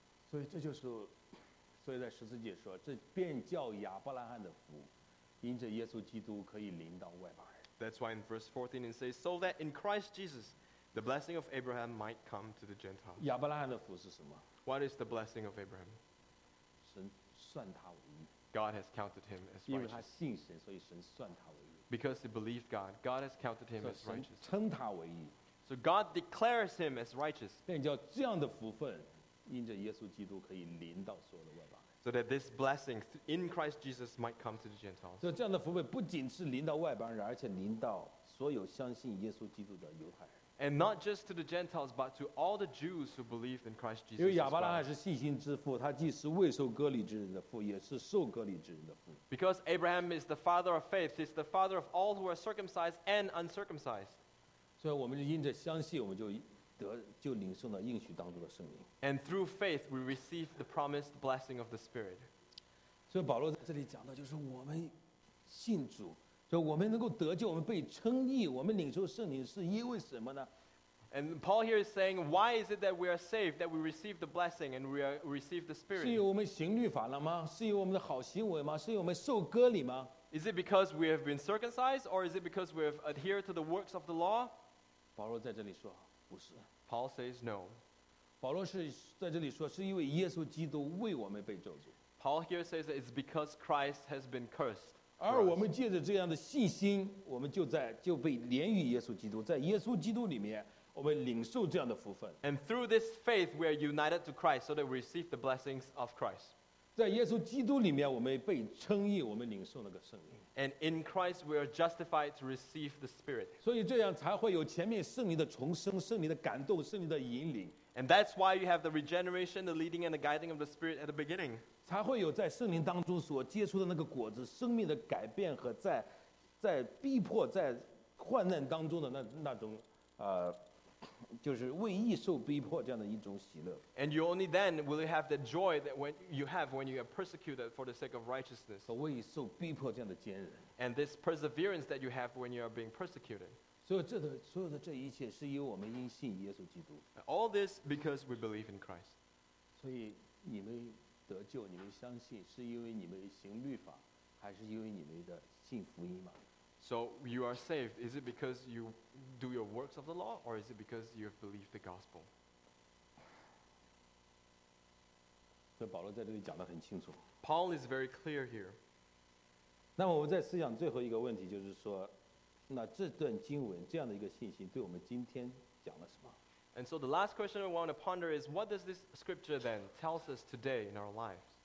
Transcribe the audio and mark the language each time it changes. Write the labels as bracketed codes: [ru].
[en] So this is, so in the 10th verse, this is [zh] 便叫亚伯拉罕的福。因着耶稣基督可以临到外邦人。 [en] That's why in verse 14 it says, so that in Christ Jesus, the blessing of Abraham might come to the Gentiles. [zh] 亚伯拉罕的福是什么？ [en] What is the blessing of Abraham? [zh] 神算他为义。 [en] God has counted him as righteous. [zh] 因为他信神，所以神算他为义。 [en] Because he believed God, God has counted him as righteous. [zh] 所以神称他为义。 [en] So God declares him as righteous. [zh] 那叫这样的福分，因着耶稣基督可以临到所有的外邦。 [en] So that this blessing in Christ Jesus might come to the Gentiles. [zh] 这样的福分不仅是临到外邦人，而且临到所有相信耶稣基督的犹太人。 [en] And not just to the Gentiles, but to all the Jews who believed in Christ Jesus. [zh] 因为亚伯拉罕是信心之父，他既是未受割礼之人的父，也是受割礼之人的父。 [en] Because Abraham is the father of faith, he's the father of all who are circumcised and uncircumcised. [zh] 所以我们因着相信，我们就。就领受了应许当中的圣灵。 [en] And through faith we receive the promised blessing of the Spirit. [zh] 所以保罗在这里讲的就是我们信主，所以我们能够得救，我们被称义，我们领受圣灵是因为什么呢？ [en] And Paul here is saying, why is it that we are saved, that we receive the blessing and we receive the Spirit? [zh] 是因为我们行律法了吗？是因为我们的好行为吗？是因为我们受割礼吗？ [en] Is it because we have been circumcised or is it because we have adhered to the works of the law? [zh] 保罗在这里说 [en] Paul says no. [zh] 保罗是在这里说，是因为耶稣基督为我们被咒诅。 [en] Paul here says that it's because Christ has been cursed. [zh] 而我们借着这样的信心，我们就被连与耶稣基督，在耶稣基督里面，我们领受这样的福分。 [en] And through this faith, we are united to Christ, so that we receive the blessings of Christ. [zh] 在耶稣基督里面，我们被称义，我们领受那个圣灵。 [en] And in Christ we are justified to receive the Spirit. [zh] 所以这样才会有前面圣灵的重生、圣灵的感动、圣灵的引领。 [en] And that's why you have the regeneration, the leading and the guiding of the Spirit at the beginning. [zh] 才会有在圣灵当中所结出的那个果子，生命的改变和在逼迫、在患难当中的那种就是为义受逼迫这样的一种喜乐。 [en] And you only then will you have the joy that when you have when you are persecuted for the sake of righteousness. [zh] 和为义受逼迫这样的坚韧。 [en] And this perseverance that you have when you are being persecuted. [zh] 所有的这一切是因为我们因信耶稣基督。 [en] All this because we believe in Christ. [zh] 所以你们得救，你们相信，是因为你们行律法，还是因为你们的信福音吗？ [en] So you are saved. Is it because you do your works of the law, or is it because you have believed the gospel? [zh] So Paul 在这里讲得很清楚。 [en] Paul is very clear here. [zh] 那么我们在思想最后一个问题就是说，那这段经文这样的一个信息对我们今天讲了什么？ [en] And so the last question I want to ponder is, what does this scripture then tells us today in our lives?